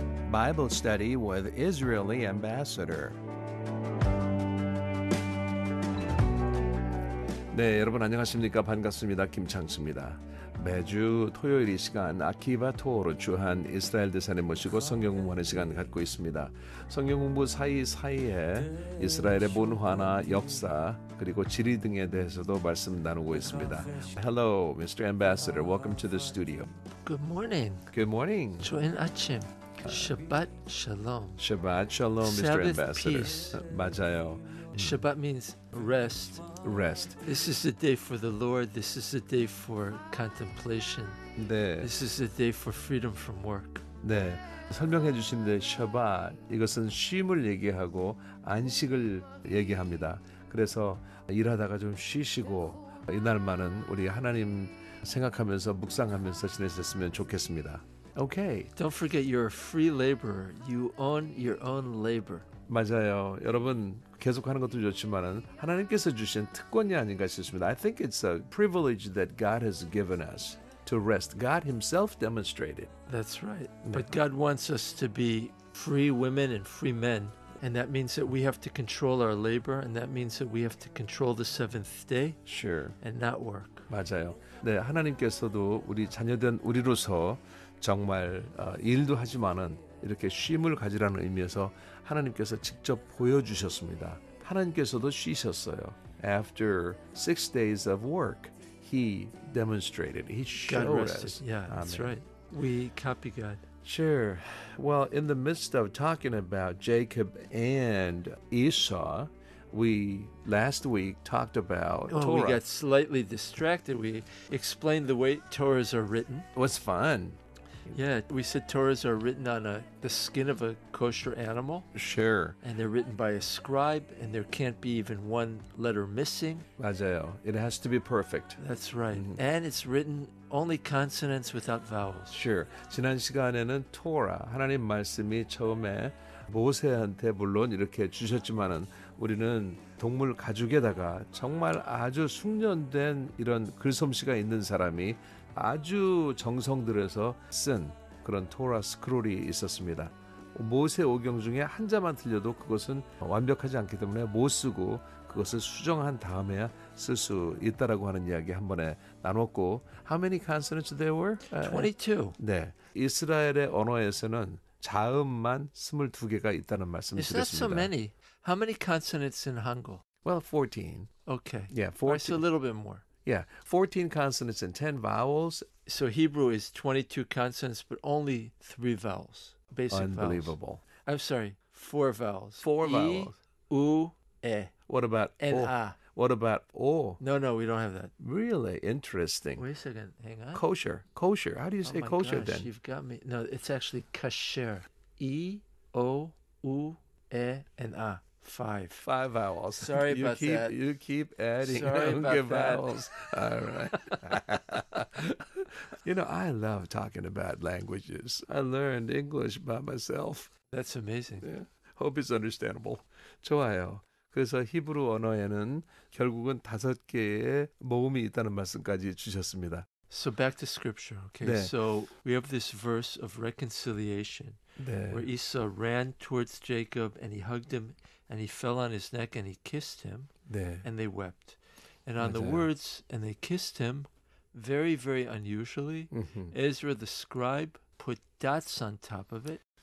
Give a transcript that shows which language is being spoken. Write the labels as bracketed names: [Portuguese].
[English] Bible Study with Israeli Ambassador. [Korean] 네, 여러분 안녕하십니까? 반갑습니다. 김창수입니다. 매주 토요일 이 시간 아키바 토어로 주한 이스라엘 대사님 모시고 성경 공부하는 시간 갖고 있습니다. 성경 공부 사이사이에 이스라엘의 문화나 역사 그리고 지리 등에 대해서도 말씀 나누고 있습니다. [English] Hello, Mr. Ambassador. Welcome to the studio. Good morning. Good morning. [Korean] 좋은 아침. [Hebrew] Shabbat Shalom. [English] Shabbat Shalom, Mr. Sabbath Ambassador. Peace. [Korean] 맞아요. [English] Shabbat means rest. Rest. This is a day for the Lord. This is a day for contemplation. [Korean] 네. [English] This is a day for freedom from work. [Korean] 네. 설명해 주시는데 Shabbat 이것은 쉼을 얘기하고 안식을 얘기합니다. 그래서 일하다가 좀 쉬시고 이날만은 우리 하나님 생각하면서 묵상하면서 지내셨으면 좋겠습니다. [English] Okay. Don't forget you're a free laborer. You own your own labor. [Korean] 맞아요. 여러분 계속하는 것도 좋지만은 하나님께서 주신 특권이 아닌가 싶습니다. [English] I think it's a privilege that God has given us to rest. God himself demonstrated. That's right. But God wants us to be free women and free men. And that means that we have to control our labor, and that means that we have to control the seventh day. Sure. And not work. [Korean] 맞아요. 네, 하나님께서도 우리 자녀된 우리로서 정말 일도 하지만은 이렇게 쉼을 가지라는 의미에서 하나님께서 직접 보여주셨습니다. 하나님께서도 쉬셨어요. [English] After six days of work, he demonstrated. He showed God rested. Us. Yeah, Amen. That's right. We copy God. Sure. Well, in the midst of talking about Jacob and Esau, we last week talked about oh, Torah. We got slightly distracted. We explained the way Torahs are written. It was fun. Yeah, we said Torahs are written on the skin of a kosher animal. Sure. And they're written by a scribe, and there can't be even one letter missing. [Korean] 맞아요. [English] It has to be perfect. That's right. Mm-hmm. And it's written only consonants without vowels. Sure. [Korean] 지난 시간에는 토라, 하나님 말씀이 처음에 모세한테 물론 이렇게 주셨지만은 우리는 동물 가죽에다가 정말 아주 숙련된 이런 글솜씨가 있는 사람이 아주 정성 들여서 쓴 그런 토라 스크롤이 있었습니다. 모세 오경 중에 한자만 틀려도 그것은 완벽하지 않기 때문에 못 쓰고 그것을 수정한 다음에야 쓸 수 있다라고 하는 이야기 한 번에 나눴고 [English] How many consonants there were? 22. [Korean] 네. 이스라엘의 언어에서는 자음만 22개가 있다는 말씀을 드렸습니다. [English] It's not so many. How many consonants in Hangul? Well, 14. Okay. Yeah, 14. That's a little bit more. Yeah, 14 consonants and 10 vowels. So Hebrew is 22 consonants, but only 3 vowels, basic Unbelievable. vowels. Unbelievable. I'm sorry, 4 vowels. 4 vowels. E, U, E. What about N-A. O? N-A. What about O? No, we don't have that. Really? Interesting. Wait a second, hang on. Kosher. Kosher. How do you say oh my kosher gosh, then? You've got me. No, it's actually kasher. E, O, U, E, and A. Five vowels. Sorry about that. You keep adding vowels. All right. You know, I love talking about languages. I learned English by myself. That's amazing. Yeah. Hope it's understandable. [Korean] 좋아요. 그래서 히브루 언어에는 결국은 다섯 개의 모음이 있다는 말씀까지 주셨습니다. [English] So back to scripture, okay? [Korean] 네. [English] So we have this verse of reconciliation [Korean] 네. [English] where Esau ran towards Jacob and he hugged him and he fell on his neck and he kissed him [Korean] 네. [English] and they wept. And on [Korean] 맞아요. [English] The words, and they kissed him, very, very unusually, Ezra the scribe put dots on top of it,